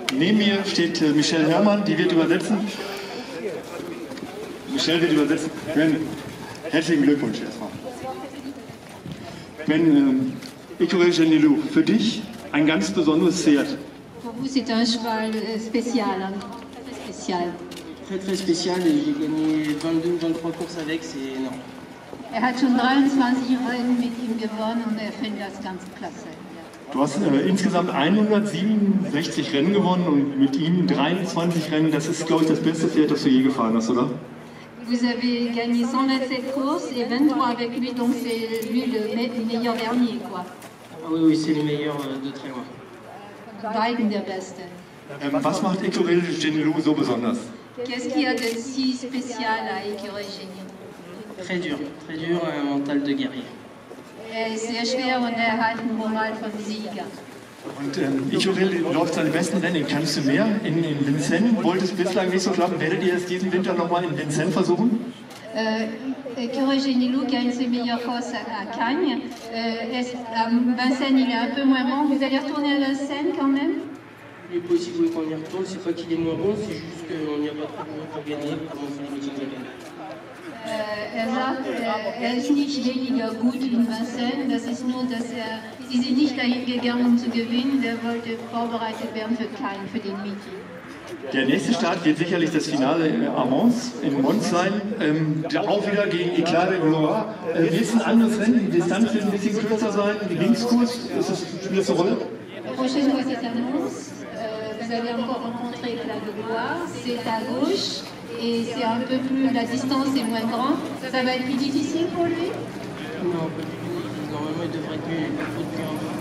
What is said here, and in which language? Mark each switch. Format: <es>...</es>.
<de>Neben mir steht Michelle Herrmann, die wird übersetzen. Michelle wird übersetzen. Ben, herzlichen Glückwunsch erstmal. Ben, Écurie Genilou, für dich ein ganz besonderes Pferd.</de> <fr>Für vous c'est un cheval spécial. Très spécial. Très très spécial. Il a gagné 22, 23 courses avec, c'est énorme.</fr> <de>Er hat schon 23 Rennen mit ihm gewonnen und er findet das ganz klasse. Du hast insgesamt 167 Rennen gewonnen und mit ihm 23 Rennen. Das ist, glaube ich, das beste Pferd, das du je gefahren hast, oder?</de> <fr>Vous avez gagné 127 courses et 23 avec lui, donc c'est lui le meilleur dernier, quoi. Oui, oui, c'est le meilleur de très loin.</fr> <de>Biden, der Beste. Was macht Écureuil Genilou so besonders?</de> <fr>Qu'est-ce qu'il y a de si spécial à Écureuil Genilou? Très dur, un mental de guerrier.</fr> <de>Sehr schwer und halt ein Moral von Sieger. Und Écureuil läuft seine besten Rennen. Kannst du mehr? In Vincennes wollte es bislang nicht so klappen. Werdet ihr es diesen Winter nochmal in Vincennes versuchen?</de> <fr>Écureuil Genilou gagne ses meilleures courses à Cannes. Vincennes, il est un peu moins bon. Vous allez retourner à Vincennes quand même? Il est possible qu'on y retourne. C'est pas qu'il est moins bon, c'est juste qu'on n'y a pas trop pour gagner avant de finir le week-end.</fr> <de>Er ist nicht weniger gut in Vincennes, das ist nur, dass er, sie sind nicht dahin gegangen, um zu gewinnen, der wollte vorbereitet werden für Cannes, für den Meeting. Der nächste Start wird sicherlich das Finale in Amiens, in Mons sein, auch wieder gegen Éclat de Gloire. Wie ist ein anderes Rennen, die Distanz wird ein bisschen kürzer sein, Linkskurs, ist das, spielt das eine Rolle?</de> <fr>Prochaine fois, c'est Amiens, vous allez encore rencontrer Éclat de Gloire, c'est à gauche. Et c'est un peu plus, la distance est moins grande. Ça va être plus difficile pour lui? Non, pas du tout. Normalement, il devrait être plus de cœur.</fr>